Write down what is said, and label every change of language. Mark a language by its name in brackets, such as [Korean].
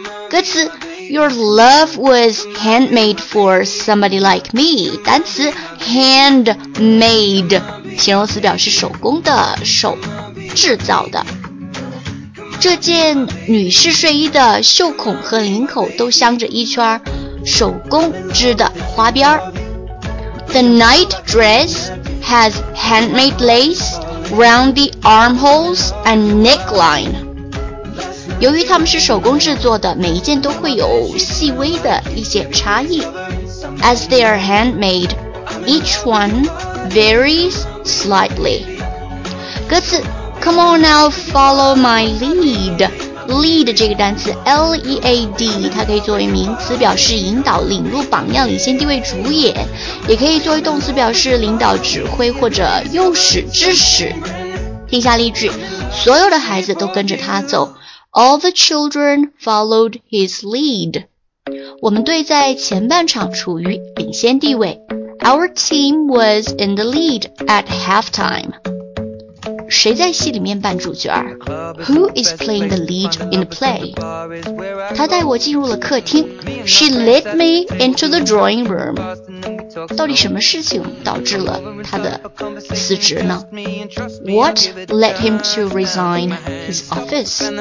[Chinese] 歌词 [English] Your love was handmade for somebody like me. [Chinese] 单词 handmade 形容词表示手工的、手制造的。这件女士睡衣的袖孔和领口都镶着一圈手工织的花边。 [English] The night dress has handmade lace round the armholes and neckline. [Chinese] 由于它们是手工制作的，每一件都会有细微的一些差异。 [English] As they are handmade, each one varies slightly. [Chinese] 歌词 [English] Come on now, follow my lead. [Chinese] Lead 这个单词 L-E-A-D 它可以作为名词表示引导、领路、榜样、领先地位、主演，也可以作为动词表示领导、指挥或者诱使、致使。听下例句，所有的孩子都跟着他走。 [English] All the children followed his lead. [Chinese] 我们队在前半场处于领先地位。 [English] Our team was in the lead at halftime. [Chinese] 谁在戏里面扮主角？ [English] Who is playing the lead in the play? [Chinese] 她带我进入了客厅。 [English] She led me into the drawing room. [Chinese] 到底什么事情导致了她的辞职呢？ [English] What led him to resign his office?